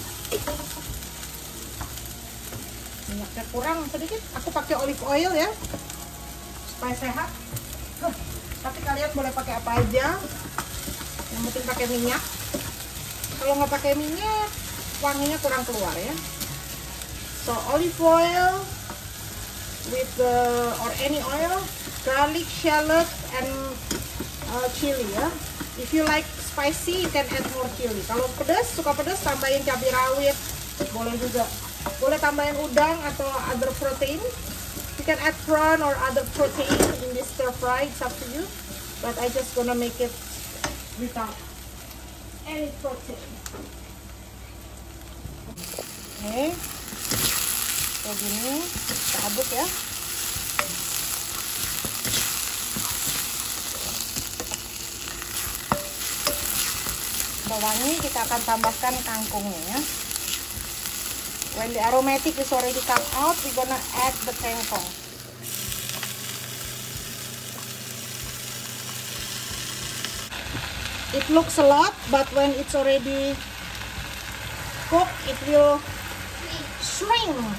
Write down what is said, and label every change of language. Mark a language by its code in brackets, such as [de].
[id] Oke. banyak, ya kurang sedikit. Aku pakai olive oil ya supaya sehat. Tapi kalian boleh pakai apa aja, yang penting pakai minyak. Kalau nggak pakai minyak, wanginya kurang keluar ya. [en] So olive oil with the or any oil, garlic, shallot, and chili ya. If you like spicy, you can add more chili. [id] Kalau pedas, suka pedas, tambahin cabai rawit, boleh juga. Boleh tambahin udang atau [en] other protein. You can add prawn or other protein in this stir fry, it's up to you. But I just gonna make it without any protein. [id] Okay, kayak gini, kita aduk ya. Bawangnya kita akan tambahkan kangkungnya ya. [en] When the aromatic is already come out, we gonna add the kangkung. It looks a lot, but when it's already cooked, it will shrink.